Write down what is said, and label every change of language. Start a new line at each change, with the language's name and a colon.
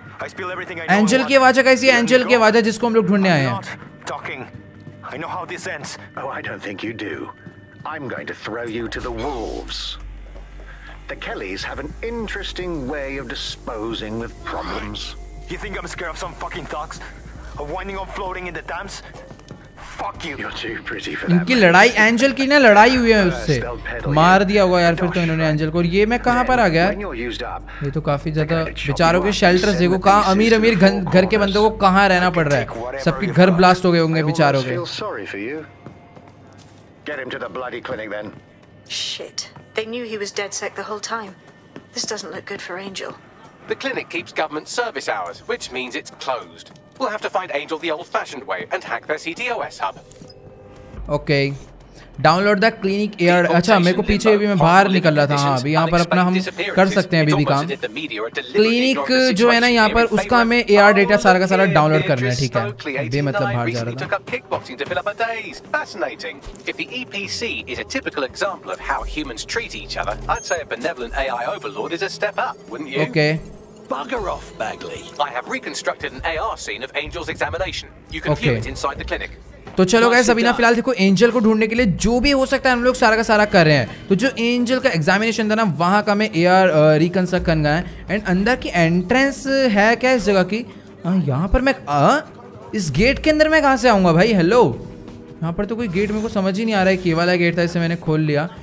Hindi: Angel की आवाज़ कैसी है? एंजल की आवाज़ जिसको हम लोग ढूंढने आए हैं।
English: I know how this ends. Oh, I don't think you do. I'm going to throw you to the wolves. The Kellys have an interesting way of disposing with problems. You think I'm scared of some fucking thugs? Winding up floating in the dams? Fuck you. You're too pretty for that.
Hindi: इनकी लड़ाई angel की ना लड़ाई हुई है उससे, मार दिया होगा यार फिर तो इन्होंने एंजल को। और ये मैं कहां पर आ गया? ये तो काफी ज्यादा बेचारों के शेल्टर्स देखो, कहां अमीर अमीर घर के बंदों को कहां रहना पड़ रहा है। सबके घर ब्लास्ट हो गए होंगे बेचारों के।
English: Get him to the bloody clinic then. Shit. They knew he was dead sick the whole time. This doesn't look good for Angel. The clinic keeps government service hours, which means it's closed. We'll have to find Angel the old-fashioned way and hack their CTOS hub. Okay. Download the clinic air.
Hindi: अच्छा मेरे को पीछे भी मैं बाहर निकल रहा था। हाँ अभी यहाँ पर अपना हम कर सकते हैं अभी भी काम। क्लिनिक जो है ना यहाँ पर उसका हमें एआर डेटा सारा का सारा डाउनलोड करना है। ठीक है बे मतलब बाहर जा रहा था।
English: If the EPC is a typical example of how humans treat each other, I'd say a benevolent AI overlord is a step up, wouldn't you? Okay. Bugger off, Bagley. I have reconstructed an AR scene of Angel's examination. You can view it inside the clinic.
Hindi: तो चलो guys अभी ना फिलहाल देखो angel को ढूंढने के लिए जो भी हो सकता है हम लोग सारा का सारा कर रहे हैं। तो जो एंजल का एग्जामिनेशन था ना वहाँ का मैं एआर रिकंस्ट्रक्ट करना है। एंड अंदर की एंट्रेंस है क्या इस जगह की? यहाँ पर मैं इस गेट के अंदर मैं कहाँ से आऊँगा भाई? हेलो यहाँ पर तो कोई गेट मेरे को समझ ही नहीं आ रहा है। के वाला गेट था इसे मैंने खोल लिया।